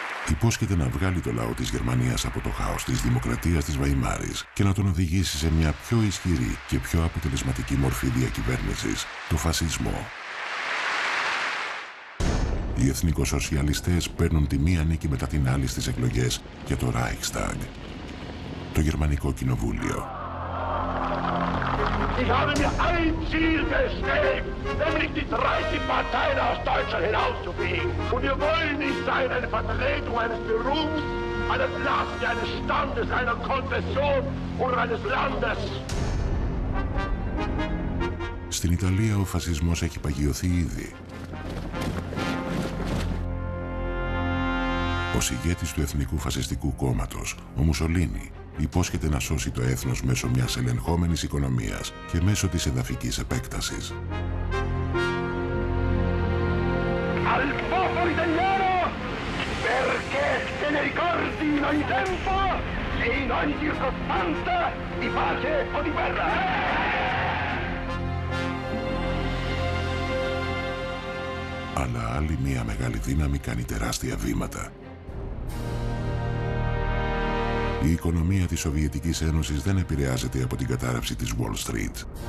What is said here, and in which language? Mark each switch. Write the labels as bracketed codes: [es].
[el] Υπόσχεται να βγάλει το λαό της Γερμανίας από το χάος της δημοκρατίας της Βαϊμάρης και να τον οδηγήσει σε μια πιο ισχυρή και πιο αποτελεσματική μορφή διακυβέρνησης, το φασισμό. Οι εθνικοσοσιαλιστές παίρνουν τη μία νίκη μετά την άλλη στις εκλογές για το Reichstag, το γερμανικό κοινοβούλιο. [de] Ich habe mir ein Ziel gestellt, nämlich die 30 Parteien aus Deutschland hinauszufegen. Und wir wollen nicht sein eine Vertretung eines Berufs, einer Klasse, eines Standes, einer Konfession oder eines Landes. [el] Στην Ιταλία ο φασισμός έχει παγιωθεί ήδη. Ο ηγέτης του Εθνικού Φασιστικού Κόμματος, ο Μουσολίνι, υπόσχεται να σώσει το έθνος μέσω μιας ελεγχόμενης οικονομίας και μέσω της εδαφικής επέκτασης. [it] al popolo italiano, perché se ne ricordi in ogni tempo e in ogni circostanza, di pace o di guerra. [el] Αλλά άλλη μία μεγάλη δύναμη κάνει τεράστια βήματα. Η οικονομία της Σοβιετικής Ένωσης δεν επηρεάζεται από την κατάρρευση της Wall Street.